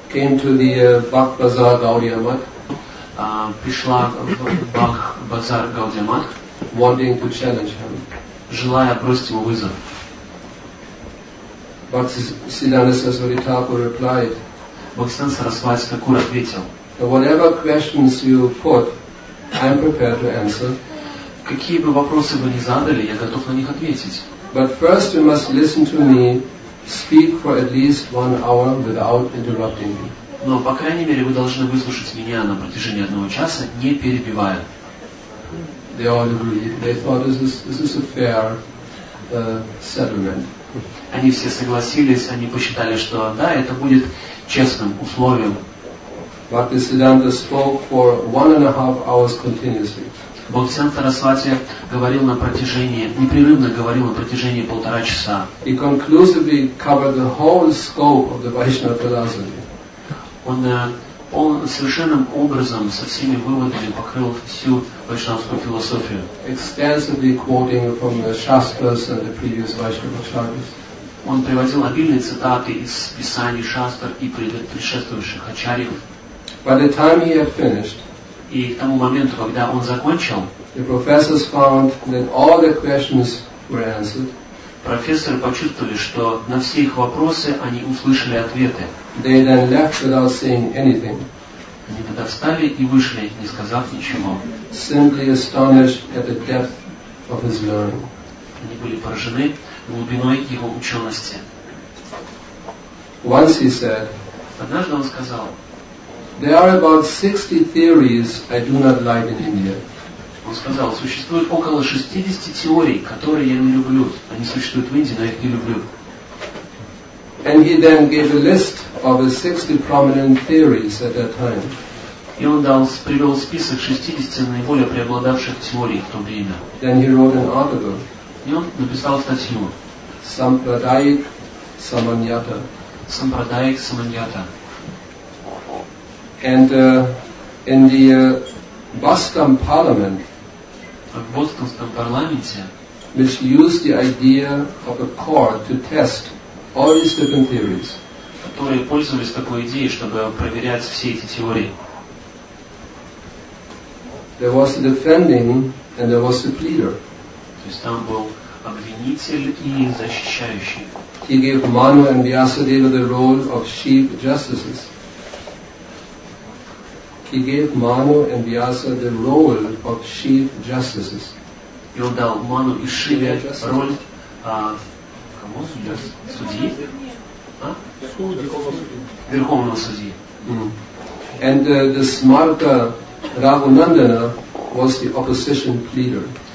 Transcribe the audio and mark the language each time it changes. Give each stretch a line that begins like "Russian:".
English: came to the Bach Bazaar Gaudiya Math,
Russian: пришла в Bach Bazaar Gaudiya Math,
English: wanting to challenge him,
Russian: желая бросить ему вызов.
English: But Siddhanta Saraswati Thakura replied,
Russian: Бхактисиддханта Сарасвати Такура ответил,
English: whatever questions you put, I am prepared to answer.
Russian: Какие бы вопросы вы ни задали, я готов на них ответить.
English: But first you must listen to me speak for at least 1 hour without interrupting me.
Russian: Но, по крайней мере, вы должны выслушать меня на протяжении 1 часа, не перебивая.
English: They all agreed. They thought this is a fair settlement.
Russian: Они все согласились, они посчитали, что да, это будет честным условием.
English: Bhaktisiddhanta spoke for 1.5 hours continuously.
Russian: Бхактисиддханта Сарасвати говорил на протяжении, непрерывно говорил на протяжении 1.5 часа.
English: He conclusively covered the whole scope of the Vaishnava philosophy.
Russian: Он он совершенным образом со всеми выводами покрыл всю вайшнавскую философию.
English: Extensively quoting from the shastras and the previous Vaishnava acharyas.
Russian: Он приводил обильные цитаты из писаний шастр и предшествующих ачарьев.
English: By the time he had finished,
Russian: и к тому моменту, когда он закончил,
English: the professors found that all the questions were answered.
Russian: Профессоры почувствовали, что на все их вопросы они услышали ответы.
English: They then left without saying anything.
Russian: Они тогда встали и вышли, не сказав ничего.
English: Simply astonished at the depth of his learning.
Russian: Они были поражены глубиной его учености.
English: Once he said,
Russian: однажды он сказал,
English: there are about 60 theories I do not like in India.
Russian: Он сказал, существует около 60 теорий, которые я не люблю. Они существуют в Индии, но я их не люблю.
English: And he then gave a list of the 60 prominent theories at that time.
Russian: И он привел список 60 наиболее преобладавших теорий в то время.
English: Then he wrote an article.
Russian: И он написал статью.
Bangla: Sampradayik Samanyata. Sampradayik Samanyata.
English: And in the Boston Parliament, which used the idea of a court to test all these different theories,
Russian: которые пользовались такой идеей, чтобы проверять все эти теории,
English: there was a defending and there was a pleader.
Russian: То есть там был обвинитель и защищающий.
English: He gave Manu and Vyasadeva the role of chief justices. He gave Manu and Vyasa the role of chief justices.
Russian: И он дал Ману и Шиве роль судьи? Судьи. Судьи. Верховного судьи.
English: And the Smarka Raghunandana was the opposition pleader.